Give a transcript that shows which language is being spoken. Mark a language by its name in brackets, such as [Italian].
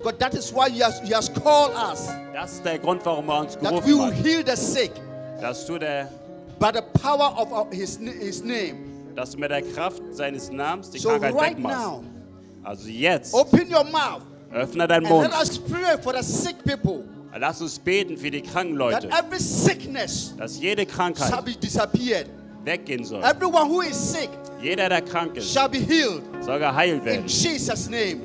[English] God, that is why he has called us. [German] Das ist der Grund, warum er uns gerufen hat. [English] That we will heal the sick. [German] Dass du der. [English] By the power of his name. [German] Dass du mit der Kraft seines Namens die [English] so [German] Krankheit [English] right [German] wegmachst. [English] Now, [German] also jetzt. [English] Open your mouth. [German] Öffne deinen Mund. [English] And let us pray for the sick people. [German] Lass uns beten für die kranken Leute. [English] That every sickness. [German] Dass jede Krankheit. [English] Shall be disappeared. [German] Weggehen soll. [English] Everyone who is sick. [German] Jeder, der krank ist, [English] shall be healed. [German] Soll geheilt werden. [English] In Jesus' name.